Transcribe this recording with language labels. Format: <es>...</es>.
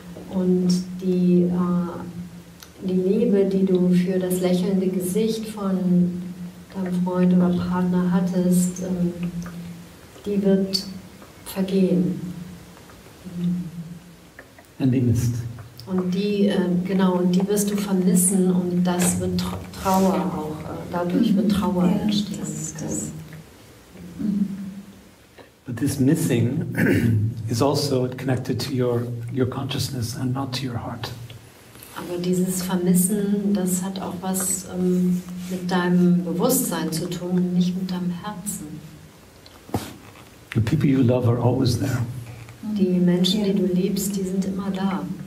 <de>Und die Liebe, die du für das lächelnde Gesicht von deinem Freund oder Partner hattest, die wird vergehen. And die ist. Und die, genau, und die wirst du vermissen und das wird Trauer auch, dadurch wird Trauer entstehen. Das ist das.</de> <en>But this missing is also connected to your consciousness and not to your heart.</en> <de>Aber dieses Vermissen, das hat auch was mit deinem Bewusstsein zu tun, nicht mit deinem Herzen.</de> <en>The people you love are always there.</en> <de>Die Menschen, die du liebst, die sind immer da.</de>